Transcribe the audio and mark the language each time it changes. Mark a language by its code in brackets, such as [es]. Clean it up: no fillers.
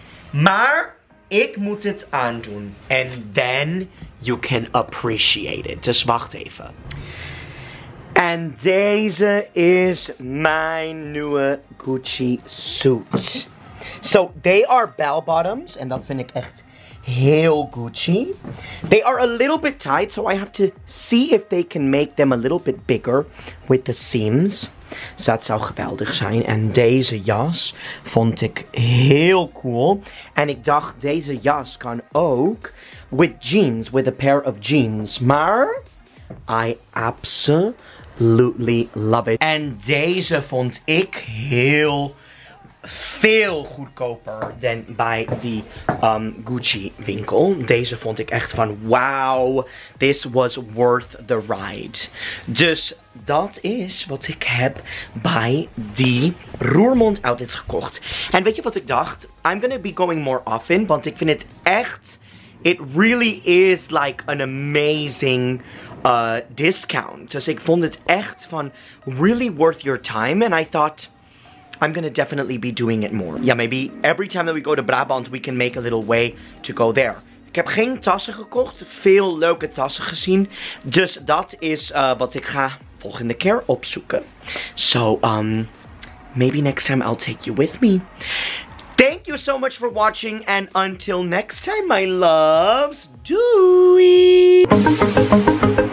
[nl] Maar ik moet het aandoen. [en] And then you can appreciate it. [nl] Dus wacht even. En deze is mijn nieuwe Gucci suit. [en] So, they are bell bottoms, and that [nl] vind ik echt heel [en] Gucci. They are a little bit tight, so I have to see if they can make them a little bit bigger with the seams. [nl] So dat zou geweldig zijn. En deze jas vond ik heel cool. En ik dacht, deze jas kan ook [en] with jeans, with a pair of jeans. Maar I absolutely love it. [nl] En deze vond ik heel veel goedkoper dan bij die Gucci winkel. Deze vond ik echt van wow, [en] this was worth the ride. [nl] Dus dat is wat ik heb bij die Roermond outlet gekocht. En weet je wat ik dacht? [en] I'm gonna be going more often, [nl] want ik vind het echt, [en] it really is like an amazing discount. [nl] Dus ik vond het echt van [en] really worth your time. And I thought, I'm gonna definitely be doing it more. Yeah, maybe every time that we go to Brabant, we can make a little way to go there. [nl] Ik heb geen tassen gekocht, veel leuke tassen gezien. Dus dat is wat ik ga volgende keer opzoeken. [en] So, maybe next time I'll take you with me. Thank you so much for watching, and until next time, my loves, doei!